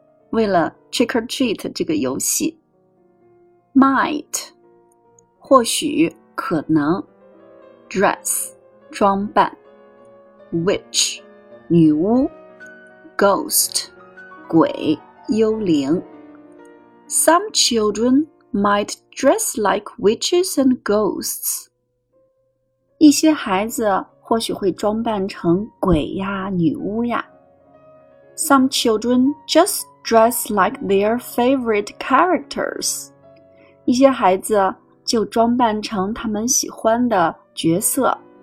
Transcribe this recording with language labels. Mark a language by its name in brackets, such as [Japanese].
[English] 为了 trick-or-treat 这个游戏 Might 或许可能 Dress 装扮 Witch 女巫 Ghost 鬼幽灵 Some childrenMight dress like witches and ghosts. [Chinese] 一些孩子或许会装扮成鬼呀，女巫呀。 [English] Some children just dress like their favorite characters. [Chinese] 一些孩子就装扮成他们喜欢的角色。